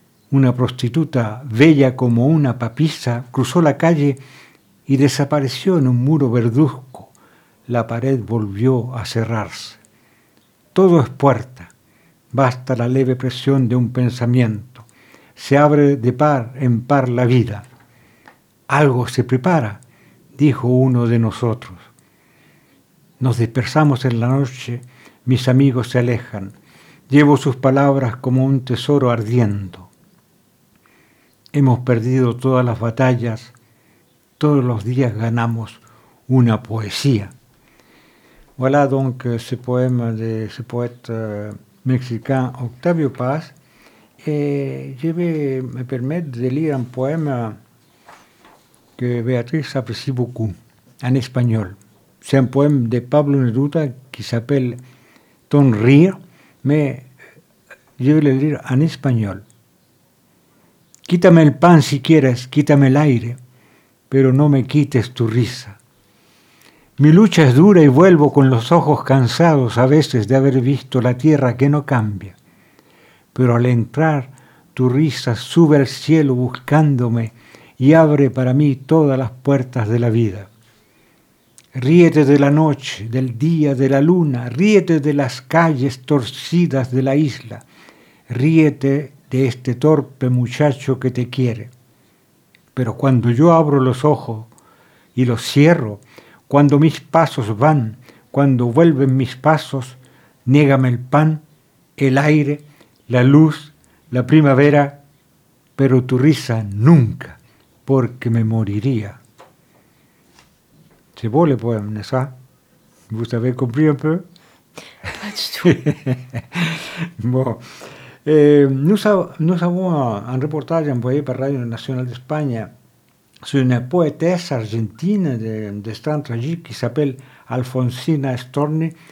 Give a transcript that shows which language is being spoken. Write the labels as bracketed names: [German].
[Spanish] Una prostituta, bella como una papisa, cruzó la calle y desapareció en un muro verduzco. La pared volvió a cerrarse. Todo es puerta. Basta la leve presión de un pensamiento. Se abre de par en par la vida. «Algo se prepara», dijo uno de nosotros. Nos dispersamos en la noche. Mis amigos se alejan. Llevo sus palabras como un tesoro ardiendo. Hemos perdido todas las batallas, todos los días ganamos una poesía. [French] Voilà donc ce poème de ce poète mexicain Octavio Paz. Et je vais me permettre de lire un poème que Béatrice apprécie beaucoup, en espagnol. C'est un poème de Pablo Neruda qui s'appelle Ton rire, mais je vais le lire en espagnol. [Spanish] Quítame el pan si quieres, quítame el aire, pero no me quites tu risa. Mi lucha es dura y vuelvo con los ojos cansados a veces de haber visto la tierra que no cambia. Pero al entrar, tu risa sube al cielo buscándome y abre para mí todas las puertas de la vida. Ríete de la noche, del día, de la luna, ríete de las calles torcidas de la isla, ríete de este torpe muchacho que te quiere. Pero cuando yo abro los ojos y los cierro, cuando mis pasos van, cuando vuelven mis pasos, niégame el pan, el aire, la luz, la primavera, pero tu risa nunca, porque me moriría. [French] C'est beau le poème, n'est-ce pas? Vous avez compris un peu? Pas du tout. Bon. Nous avons un reportage envoyé par Radio Nationale d'Espagne sur une poétesse argentine de destin tragique qui s'appelle Alfonsina Storni.